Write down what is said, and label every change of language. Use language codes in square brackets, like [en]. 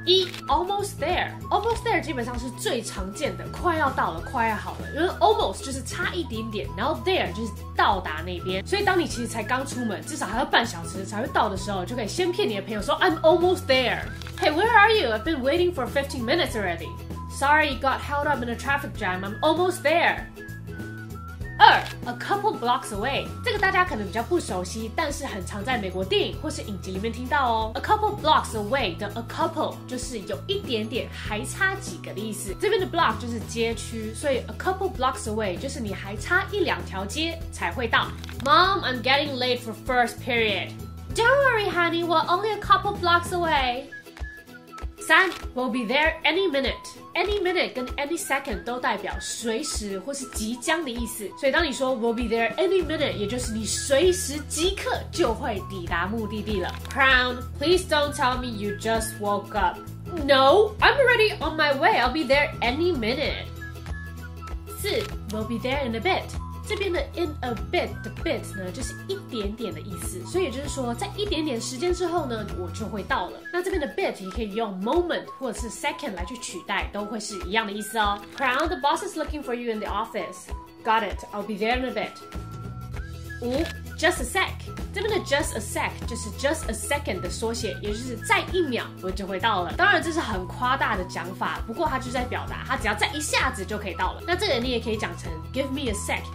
[zh] 一 [en] almost there, almost there [zh] 基本上是最常见的，快要到了，快要好了，因为 almost 就是差一点点，然后 there 就是到达那边，所以当你其实才刚出门，至少还要半小时才会到的时候，就可以先骗你的朋友说 [en] I'm almost there, Hey, where are you? I've been waiting for 15 minutes already. Sorry, got held up in a traffic jam. I'm almost there. [zh] 二 ， [en] a couple blocks away， [zh] 这个大家可能比较不熟悉，但是很常在美国电影或是影集里面听到哦。 [en] a couple blocks away [zh] 的 [en] a couple [zh] 就是有一点点，还差几个的意思。这边的 block 就是街区，所以 [en] a couple blocks away [zh] 就是你还差一两条街才会到。 [en] Mom, I'm getting late for first period. Don't worry, honey, we're only a couple blocks away. [zh] 三 [en] ，we'll be there any minute. Any minute [zh] 跟 [en] any second [zh] 都代表随时或是即将的意思，所以当你说 [en] we'll be there any minute， [zh] 也就是你随时即刻就会抵达目的地了。 [en] Crown, please don't tell me you just woke up. No, I'm already on my way. I'll be there any minute. [zh] 四 [en] ，we'll be there in a bit. [zh] 这边的 [en] in a bit [zh] 的 bit 呢，就是一点点的意思，所以也就是说，在一点点时间之后呢，我就会到了。那这边的 bit 也可以用 moment 或者是 second 来去取代，都会是一样的意思哦。 [en] Crown, the boss is looking for you in the office. Got it. I'll be there in a bit. [zh] 五 [en] ，just a sec. [zh] 这边的 [en] just a sec [zh] 就是 [en] just a second [zh] 的缩写，也就是再一秒我就会到了。当然这是很夸大的讲法，不过它就在表达它只要再一下子就可以到了。那这个你也可以讲成 [en] give me a sec。